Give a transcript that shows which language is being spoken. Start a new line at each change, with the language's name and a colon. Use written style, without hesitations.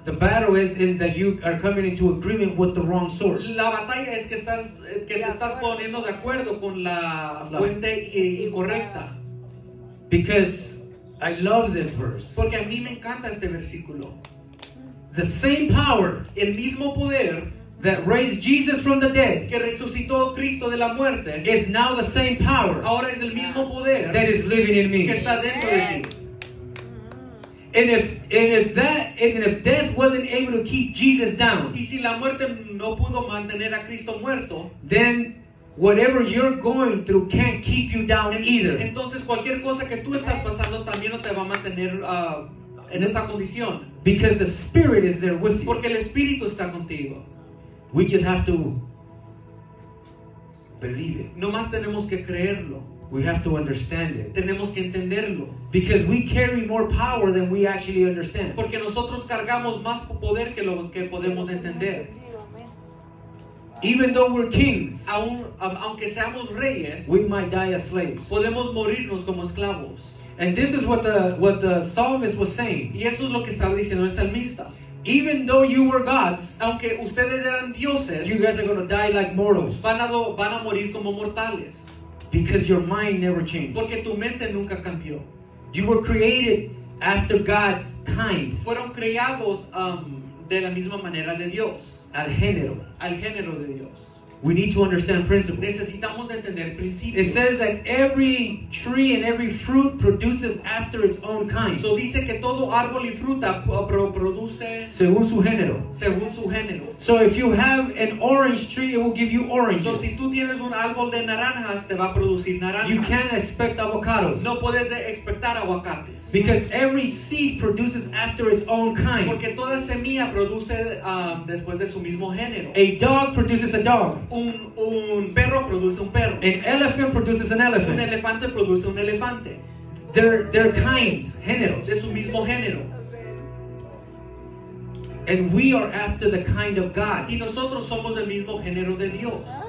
English: The battle is in that you are coming into agreement with the wrong source.
Spanish: La batalla es que estás te estás poniendo de acuerdo con la fuente incorrecta.
English: Because I love this verse.
Spanish: Porque a mí me encanta este versículo.
English: The same power,
Spanish: el mismo poder,
English: that raised Jesus from the dead,
Spanish: que resucitó a Cristo de la muerte,
English: is now the same power,
Spanish: ahora es el mismo poder,
English: that is living in me,
Spanish: que está dentro de mí.
English: And if death wasn't able to keep Jesus down,
Spanish: y si la muerte no pudo mantener a Cristo muerto,
English: then whatever you're going through can't keep you down either.
Spanish: Entonces cualquier cosa que tú estás pasando también no te va a mantener en esa condición.
English: Because the Spirit is there with you.
Spanish: Porque el Espíritu está contigo.
English: We just have to believe it.
Spanish: Nomás tenemos que creerlo.
English: We have to understand it.
Spanish: Tenemos que entenderlo.
English: Because we carry more power than we actually understand.
Spanish: Porque nosotros cargamos más poder que lo que podemos entender.
English: Even though we're kings,
Spanish: aunque seamos reyes,
English: we might die as slaves.
Spanish: Podemos morirnos como esclavos.
English: And this is what the psalmist was saying.
Spanish: Y eso es lo que estaba diciendo el salmista.
English: Even though you were gods,
Spanish: aunque ustedes eran dioses,
English: you guys are going to die like mortals.
Spanish: Van a morir como mortales.
English: Because your mind never changed.
Spanish: Porque tu mente nunca cambió.
English: You were created after God's kind.
Spanish: Fueron creados de la misma manera de Dios. Al género de Dios.
English: We need to understand principles.
Spanish: Necesitamos entender principios.
English: It says that every tree and every fruit produces after its own kind.
Spanish: So dice que todo árbol y fruta produce según su género. Según su género.
English: So if you have an orange tree, it will give you oranges.
Spanish: So si tú tienes un árbol de naranjas, te va a producir naranjas.
English: You can't expect avocados.
Spanish: No puedes expectar aguacates.
English: Because every seed produces after its own kind.
Spanish: Porque toda semilla produce después de su mismo género.
English: A dog produces a dog.
Spanish: Un perro produce un perro.
English: An elephant produces an elephant.
Spanish: Un elefante produce un elefante.
English: They're kinds, géneros.
Spanish: De su mismo género.
English: And we are after the kind of God.
Spanish: Y nosotros somos del mismo género de Dios.